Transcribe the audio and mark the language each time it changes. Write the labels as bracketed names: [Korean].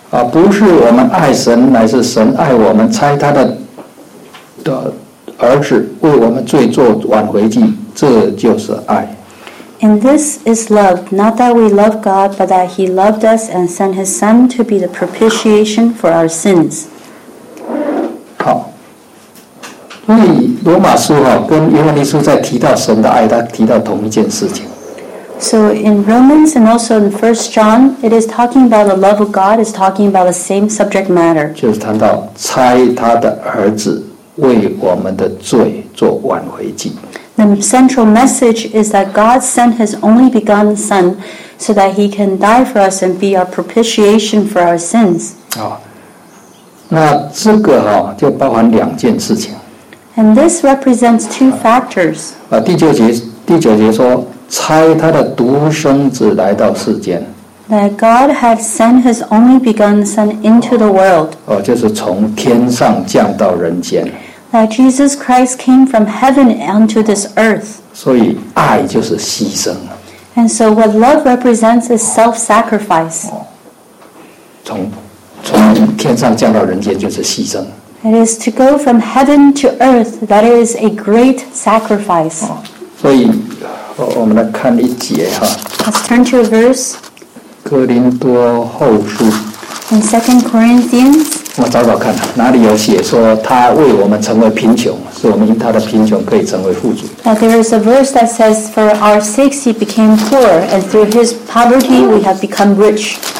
[Chinese] 不是我们爱神，乃是神爱我们，差他的儿子为我们罪做挽回祭，这就是爱。 [English] And this is love, not that we love God, but that He loved us and sent His Son to be the propitiation for our sins. [Chinese] 好，所以罗马书啊，跟约翰一书在提到神的爱，他提到同一件事情。 [English] So in Romans and also in 1 John, it is talking about the love of God, it's talking about the same subject matter. [Chinese] 就是谈到差他的儿子为我们的罪做挽回祭。 [English] The central message is that God sent His only begotten Son so that He can die for us and be our propitiation for our sins. [Chinese] 那这个啊，就包含两件事情。 [English] And this represents two factors. [Chinese] 第九节说差他的独生子来到世间。 [English] That God had sent His only begotten Son into the world. [Chinese] 就是从天上降到人间。 [English] That Jesus Christ came from heaven onto this earth. [Chinese] 所以爱就是牺牲。 [English] And so what love represents is self-sacrifice. [Chinese] 从天上降到人间就是牺牲。 [English] It is to go from heaven to earth. That is a great sacrifice. [Chinese] 所以我们来看一节哈。 [English] Let's turn to a verse. [Chinese] 哥林多后书。 [English] In 2 Corinthians. [Chinese] 我找找看，哪里有写说他为我们成为贫穷，是我们因他的贫穷可以成为富足。 [English] Now there is a verse that says, for our sakes he became poor, and through his poverty we have become rich.